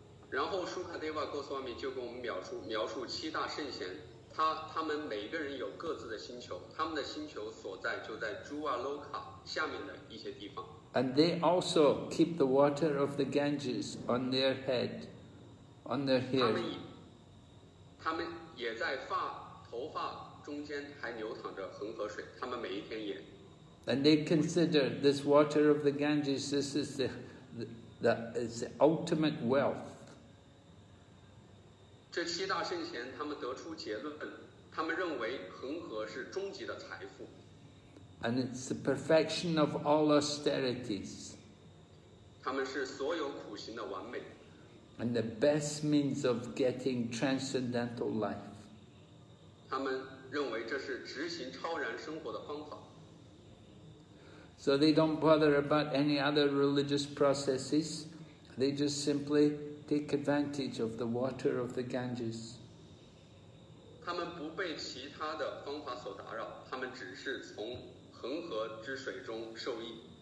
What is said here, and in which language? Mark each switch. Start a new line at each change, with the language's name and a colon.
Chinese: 然后 Sukadeva Goswami 就给我们描述七大圣贤，他们每个人有各自的星球，他们的星球所在就在 Dhruva Loka 下面的一些地方。
English: And they also keep the water of the Ganges on their head, on their hair.
Chinese: 他们也在头发中间还流淌着恒河水，他们每一天也。
English: And they consider this water of the Ganges, this is the ultimate wealth.
Chinese: 这七大圣贤他们得出结论，他们认为恒河是终极的财富。
English: And it's the perfection of all austerities.
Chinese: 他们是所有苦行的完美。
English: And the best means of getting transcendental life.
Chinese: 他们认为这是执行超然生活的方法。
English: So they don't bother about any other religious processes. They just simply take advantage of the water of the Ganges.
Chinese: 他们不被其他的方法所打扰，他们只是从恒河之水中受益。